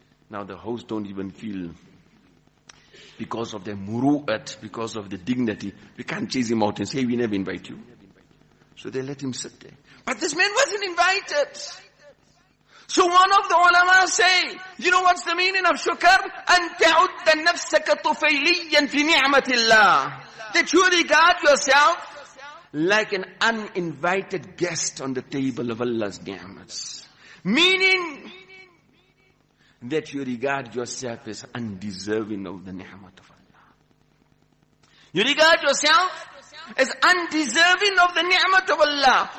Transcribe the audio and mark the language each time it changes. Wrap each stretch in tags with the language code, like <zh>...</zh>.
<en>Now the host don't even feel, because of the muru'at, because of the dignity, we can't chase him out and say, we never invite you. So they let him sit there. But this man wasn't invited. So one of the ulama say, you know what's the meaning of shukr?</en> <ar>أن تعد نفسك تفيليا في نعمة الله.</ar> <en>That you regard yourself like an uninvited guest on the table of Allah's ni'mats. Meaning that you regard yourself as undeserving of the ni'mat of Allah. You regard yourself as undeserving of the ni'mat of Allah.</en>